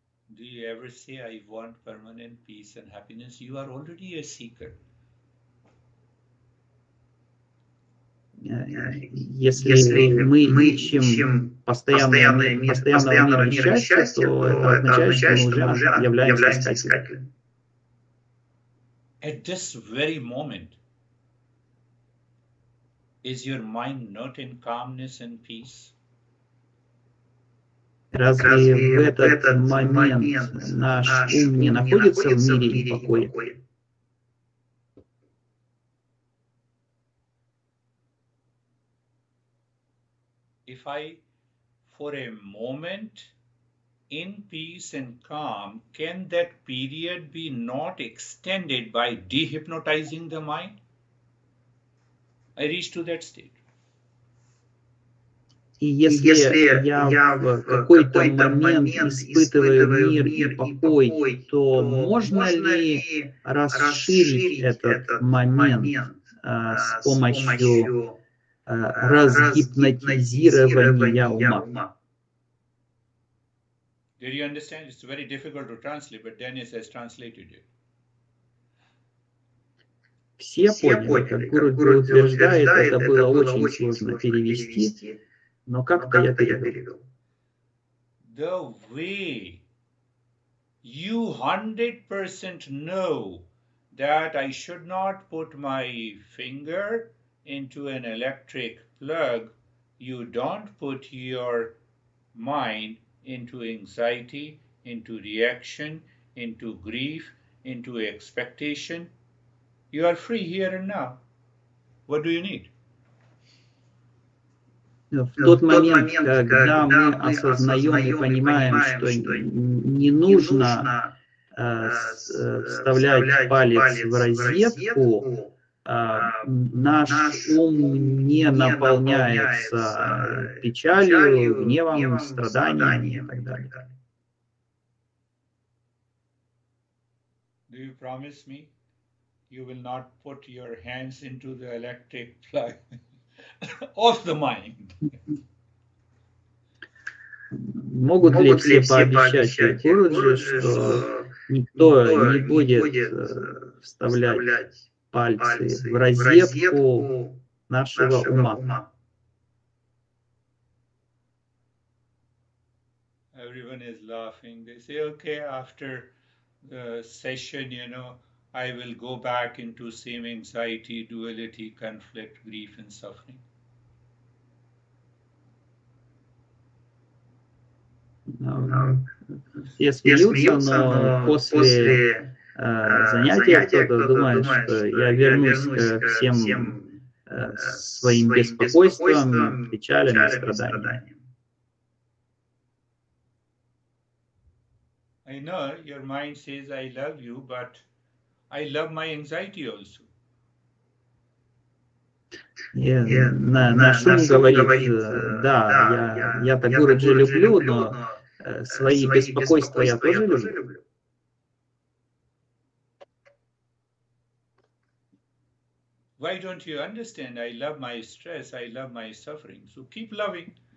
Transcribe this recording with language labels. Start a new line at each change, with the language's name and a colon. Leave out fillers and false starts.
English: Do you ever say, I want permanent peace and happiness? You are already a seeker.
Russian: Если мы ищем постоянного мира и счастья, то это означает, что мы уже являемся искателем.
English: At this very moment, is your mind not in calmness and peace?
Russian: Разве в этот момент наш ум не находится в мире и покое?
English: If I, for a moment, in peace and calm, can that period be not extended by dehypnotizing the mind? I reach to that state.
Russian: И если я в какой-то момент испытываю мир и покой, то можно ли расширить этот момент с помощью разгипнотизирования ума.
English: Did you understand? It's very difficult to translate, but Dennis has translated it.
Russian: Все поняли, как Гуру утверждает, это было очень сложно перевести, но как-то я перевел.
English: The way you 100% know that I should not put my finger into an electric plug, you don't put your mind into anxiety, into reaction, into grief, into expectation. You are free here and now. What do you need?
Russian: В тот момент, когда мы осознаем и понимаем, что не нужно вставлять палец в розетку, наш ум не наполняется печалью, гневом, страданием и так далее.
English: Do you promise me you will not put your hands into the electric plug of the mind?
Russian: Могут ли все пообещать Гуруджи, что никто не будет вставлять пальцы в розетку нашего ума.
English: Everyone is laughing. They say, okay, after the session, you know, I will go back into same anxiety, duality, conflict, grief and suffering.
Russian: Все смеются, но после занятия, кто-то думает, что я вернусь ко всем своим беспокойствам, печалям и страданиям.
English: I know your mind says I love you, but I love my anxiety also.
Russian: Наш ум говорит, да, я-то Гуруджи люблю, но свои беспокойства я тоже люблю.
English: Why don't you understand? I love my stress. I love my suffering. So keep loving.